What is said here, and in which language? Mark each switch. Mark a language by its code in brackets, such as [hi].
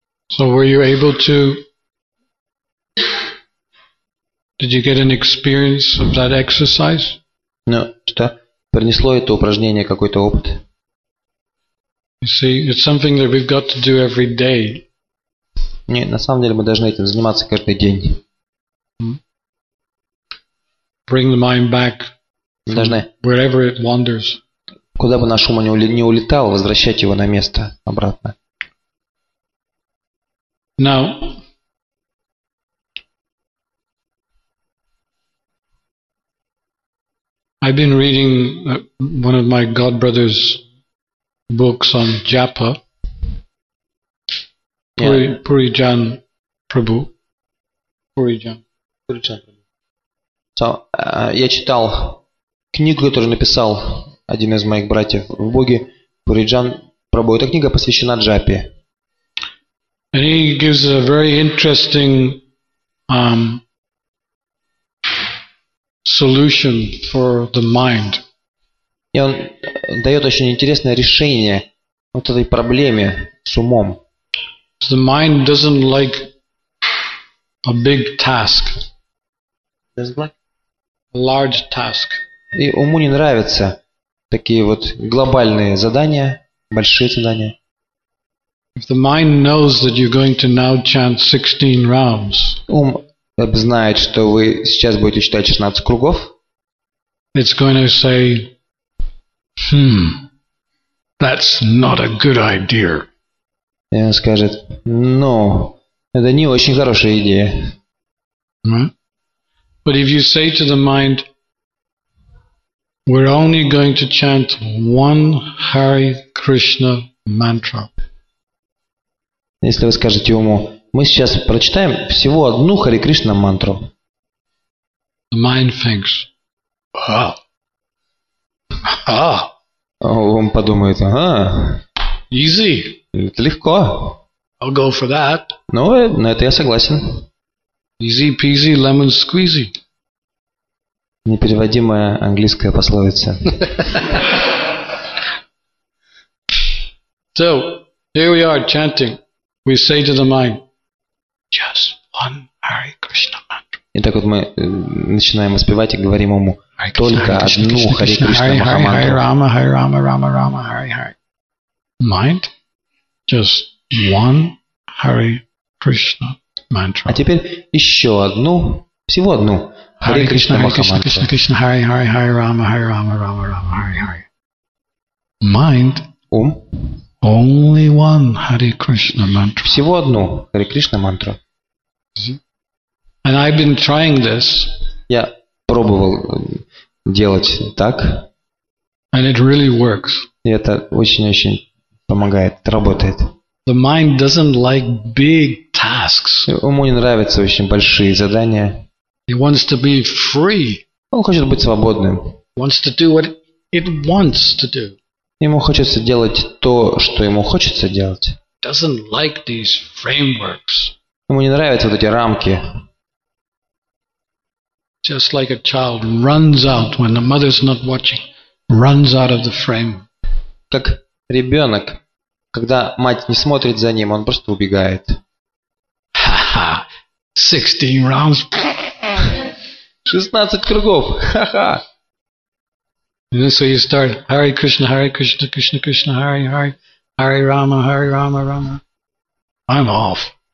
[en] So were you able to, did you get an experience of that exercise? No. [ru] Что? Принесло это упражнение какой-то опыт? [en] You see, it's something that we've got to do every day. [ru] Не, на самом деле мы должны этим заниматься каждый день. [en] Bring the mind back. Wherever it wanders. [ru] Куда бы наш ум не улетал, возвращать его на место обратно. [en] Now, I've been reading one of my godbrother's books on Japa. Purijan Prabhu. Purijan. [ru] So, я читал книгу, которую написал один из моих братьев в Боге, Пуриджан Прабху. Эта книга посвящена Джапе. [en] And he gives a very interesting solution for the mind. [ru] И он дает очень интересное решение вот этой проблеме с умом. [en] The mind doesn't like a big task. Doesn't like? A large task. [ru] И уму не нравятся такие вот глобальные задания, большие задания. [en] If the mind knows that you're going to now chant 16 rounds, [ru] ум знает, что вы сейчас будете читать 16 кругов, [en] it's going to say, that's not a good idea. [ru] И он скажет, ну, это не очень хорошая идея. [en] But if you say to the mind, we're only going to chant one Hare Krishna mantra. [ru] Если вы скажете уму, мы сейчас прочитаем всего одну Hare Krishna мантру. [en] The mind thinks, [ru] Он подумает, [en] Easy. [ru] Это легко. [en] I'll go for that. [ru] Ну, на это я согласен. [en] Easy peasy, lemon squeezy. [ru] Непереводимая английская пословица. [en] So, here we are chanting. We say to the mind, just one Hare Krishna mantra. [ru] Итак, вот мы начинаем воспевать и говорим ему только одну Hare Krishna [en] мантру. Mind, just one Hare Krishna mantra. [ru] А теперь еще одну, всего одну. [sa] Hare Krishna, Krishna, Krishna, Krishna, Hare, Hare, Hare Rama, Hare Rama, Rama, Rama, Hare Hare. Mind. [ru] Ум. [en] Only one Hare Krishna mantra. [ru] Всего одну Hare Krishna мантру. [en] And I've been trying this. [ru] Я пробовал делать так. [en] And it really works. [ru] И это очень-очень помогает, работает. [en] The mind doesn't like big tasks. [ru] Уму не нравятся очень большие задания. [en] He wants to be free. [ru] Он хочет быть свободным. [en] Wants to do what it wants to do. [ru] Ему хочется делать то, что ему хочется делать. [en] Doesn't like these frameworks. [ru] Ему не нравятся вот эти рамки. [en] Just like a child runs out when the mother's not watching, runs out of the frame. [ru] Как ребенок, когда мать не смотрит за ним, он просто убегает. [en] Ха-ха. 16 rounds. [ru] 16 кругов. Ха-ха. [en] And so you start [sa] Hare Krishna, Hare Krishna, Krishna Krishna, Hare Hare, Hare Rama, Hare Rama, Rama. [en] I'm off.